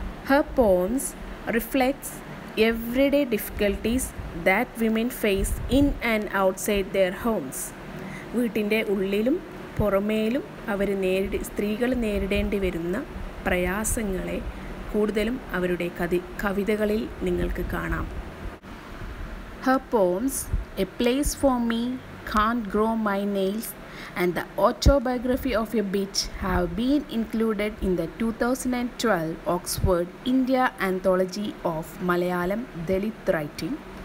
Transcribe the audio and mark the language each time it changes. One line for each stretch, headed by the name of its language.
English: Her poems reflects everyday difficulties that women face in and outside their homes.
Malayalam: വീട്ടിൻ്റെ ഉള്ളിലും പുറമേലും അവർ സ്ത്രീകൾ നേരിടേണ്ടി വരുന്ന പ്രയാസങ്ങളെ കൂടുതലും അവരുടെ കവിതകളിൽ നിങ്ങൾക്ക് കാണാം.
English: Her poems, A Place For Me, Can't Grow My Nails, and the Autobiography of a Bitch have been included in the 2012 Oxford India Anthology of Malayalam Dalit Writing.